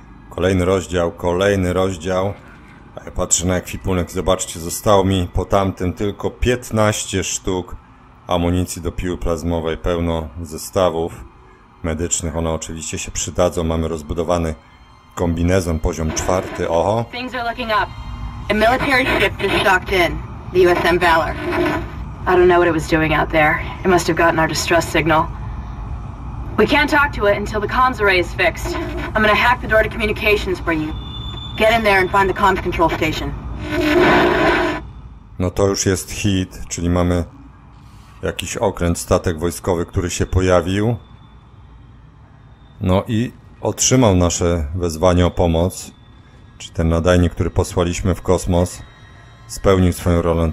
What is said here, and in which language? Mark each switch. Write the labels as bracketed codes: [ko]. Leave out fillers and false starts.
[pl] Kolejny rozdział. Patrzę na ekwipunek, zobaczcie, zostało mi po tamtym tylko 15 sztuk amunicji do piły plazmowej, pełno zestawów medycznych. One oczywiście się przydadzą, mamy rozbudowany kombinezon, poziom czwarty, oho. [en] Things are looking up. A military ship just docked in. The USM Valor. I don't know what it was doing out there. It must have gotten our distress signal. We can't talk to it until the comms array is fixed. I'm gonna hack the door to communications for you. Get in there and find the comms control station. [pl] No to już jest hit, czyli mamy jakiś okręt, statek wojskowy, który się pojawił. No i otrzymał nasze wezwanie o pomoc. Czy ten nadajnik, który posłaliśmy w kosmos, spełnił swoją rolę.